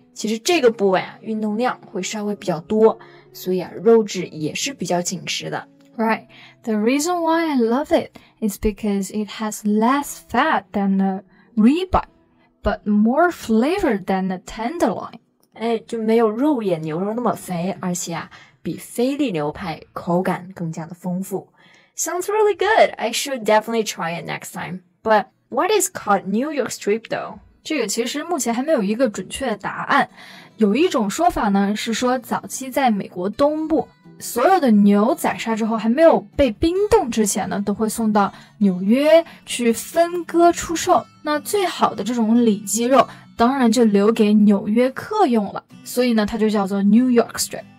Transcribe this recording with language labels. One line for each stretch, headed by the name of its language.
Chinese: 其实这个部位啊，运动量会稍微比较多，所以啊，肉质也是比较紧实的。
English: Right, the reason why I love it is because it has less fat than a ribeye, but more flavor than a tenderloin.
Chinese: 就没有肉眼牛肉那么肥，而且啊，比菲力牛排口感更加的丰富。
English: Sounds really good. I should definitely try it next time. But what is called New York Strip though?
Chinese: 这个其实目前还没有一个准确的答案。有一种说法呢，是说早期在美国东部，所有的牛宰杀之后还没有被冰冻之前呢，都会送到纽约去分割出售。那最好的这种里脊肉。当然就留给纽约客用了，所以呢，它就叫做 New York Strip。